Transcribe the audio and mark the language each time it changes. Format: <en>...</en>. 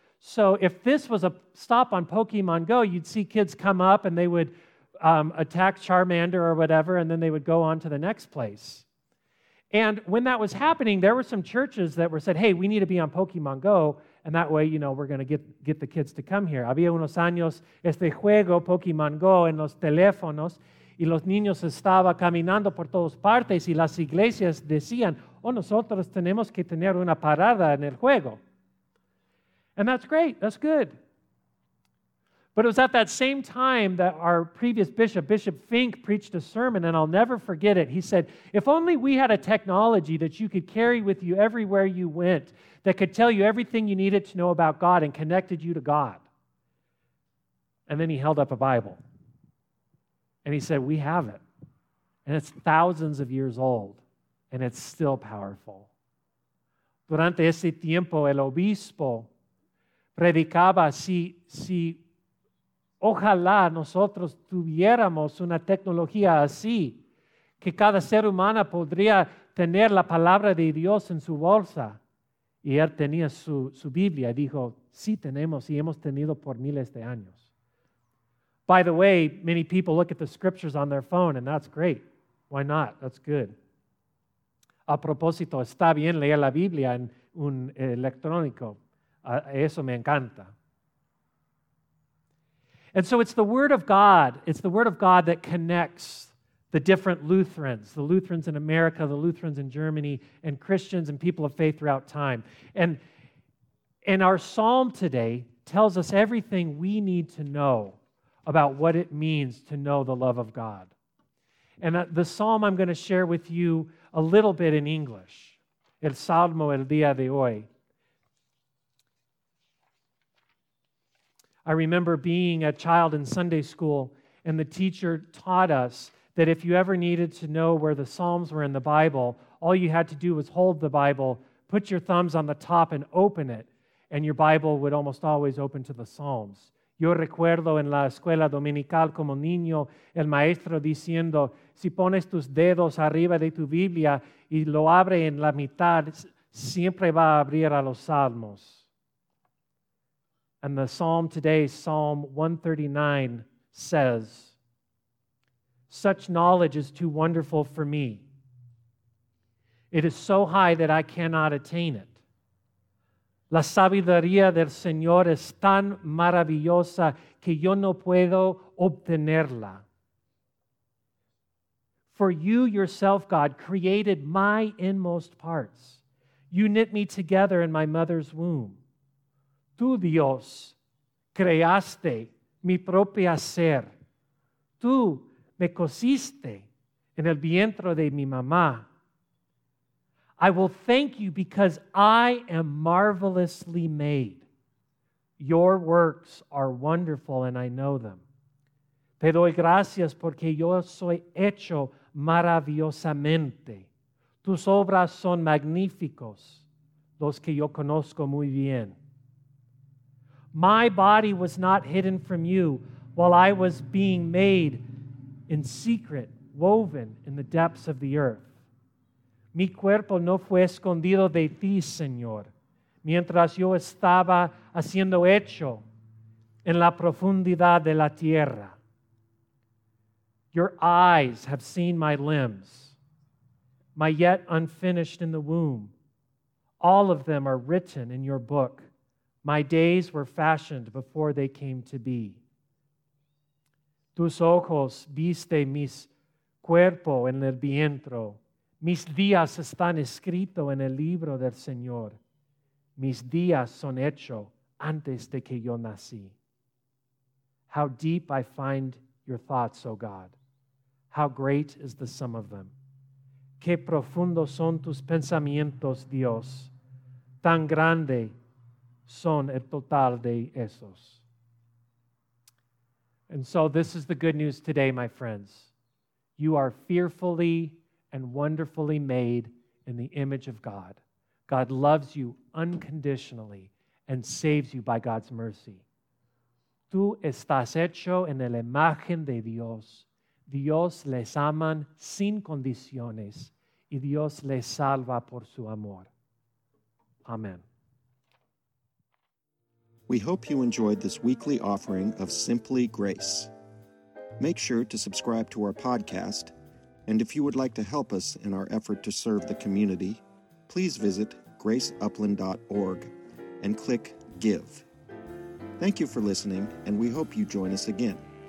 <en>So if this was a stop on Pokemon Go, you'd see kids come up and they would attack Charmander or whatever, and then they would go on to the next place. And when that was happening, there were some churches that were said, hey, we need to be on Pokemon Go, and that way, you know, we're going to get the kids to come here.</en> <es>Había unos años este juego Pokemon Go en los teléfonos, y los niños estaban caminando por todas partes y las iglesias decían, oh, nosotros tenemos que tener una parada en el juego.</es> <en>And that's great, that's good. But it was at that same time that our previous bishop, Bishop Fink, preached a sermon, and I'll never forget it. He said, if only we had a technology that you could carry with you everywhere you went that could tell you everything you needed to know about God and connected you to God. And then he held up a Bible. And he said, we have it. And it's thousands of years old, and it's still powerful.</en> <es>Durante ese tiempo, el obispo predicaba, si ojalá nosotros tuviéramos una tecnología así, que cada ser humano podría tener la palabra de Dios en su bolsa. Y él tenía su Biblia. Dijo, sí, tenemos, y hemos tenido por miles de años.</es> <en>By the way, many people look at the scriptures on their phone, and that's great. Why not? That's good.</en> <es>A propósito, está bien leer la Biblia en un electrónico. Eso me encanta.</es> <en>And so it's the Word of God. It's the Word of God that connects the different Lutherans, the Lutherans in America, the Lutherans in Germany, and Christians and people of faith throughout time. And our psalm today tells us everything we need to know about what it means to know the love of God. And the psalm I'm going to share with you a little bit in English,</en> <es>El Salmo El Día de Hoy.</es> <en>I remember being a child in Sunday school, and the teacher taught us that if you ever needed to know where the psalms were in the Bible, all you had to do was hold the Bible, put your thumbs on the top and open it, and your Bible would almost always open to the psalms.</en> <es>Yo recuerdo en la escuela dominical como niño, el maestro diciendo, si pones tus dedos arriba de tu Biblia y lo abre en la mitad, siempre va a abrir a los salmos.</es> <en>And the psalm today, Psalm 139, says, such knowledge is too wonderful for me. It is so high that I cannot attain it.</en> <es>La sabiduría del Señor es tan maravillosa que yo no puedo obtenerla.</es> <en>For you yourself, God, created my inmost parts. You knit me together in my mother's womb.</en> <es>Tú, Dios, creaste mi propia ser. Tú me cosiste en el vientre de mi mamá.</es> <en>I will thank you because I am marvelously made. Your works are wonderful and I know them.</en> <es>Te doy gracias porque yo soy hecho maravillosamente. Tus obras son magníficos, los que yo conozco muy bien.</es> <en>My body was not hidden from you while I was being made in secret, woven in the depths of the earth.</en> <es>Mi cuerpo no fue escondido de ti, Señor, mientras yo estaba haciendo hecho en la profundidad de la tierra.</es> <en>Your eyes have seen my limbs, my yet unfinished in the womb. All of them are written in your book. My days were fashioned before they came to be.</en> <es>Tus ojos viste mi cuerpo en el vientre. Mis días están escritos en el libro del Señor. Mis días son hechos antes de que yo nací.</es> <en>How deep I find your thoughts, O God. How great is the sum of them.</en> <es>Qué profundos son tus pensamientos, Dios. Tan grande son el total de esos.</es> <en>And so this is the good news today, my friends. You are fearfully and wonderfully made in the image of God. God loves you unconditionally and saves you by God's mercy.</en> <es>Tú estás hecho en la imagen de Dios. Dios les ama sin condiciones y Dios les salva por su amor.</es> <en>Amen. We hope you enjoyed this weekly offering of Simply Grace. Make sure to subscribe to our podcast, and if you would like to help us in our effort to serve the community, please visit graceupland.org and click Give. Thank you for listening, and we hope you join us again.</en>